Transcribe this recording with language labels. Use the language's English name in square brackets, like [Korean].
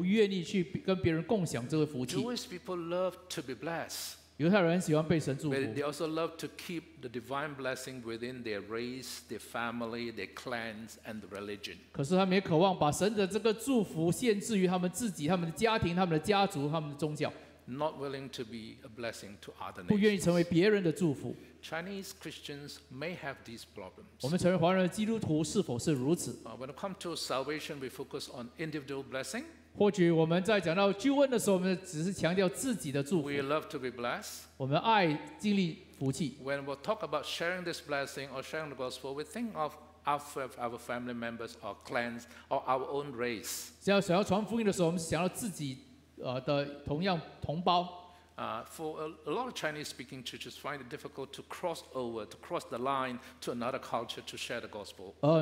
[Chinese] 可是同样的，有时候我们经历了祝福，但我们也不愿意去跟别人共享这个福气。 [English] Jewish people love to be blessed. [Chinese] 犹太人喜欢被神祝福。 [English] They also love to keep the divine blessing within their race, their family, their clans, and the religion. [Chinese] 可是他们也渴望把神的这个祝福限制于他们自己、他们的家庭、他们的家族、他们的宗教。 [English] Not willing to be a blessing to other nations. [Chinese] 不愿意成为别人的祝福。 [English] Chinese Christians may have these problems. [Chinese] 我们承认华人的基督徒是否是如此？ [English] When it comes to salvation, we focus on individual blessing. [Chinese] 或许我们在讲到救恩的时候，我们只是强调自己的祝福。 [English] We love to be blessed. [Chinese] 我们爱经历福气。 [English] When we talk about sharing this blessing or sharing the gospel, we think of our family members or clans or our own race. [Chinese] 想要传福音的时候，我们想要自己的同样同胞。 [English] For a lot of Chinese-speaking churches, find it difficult to cross over, to cross the line to another culture to share the gospel.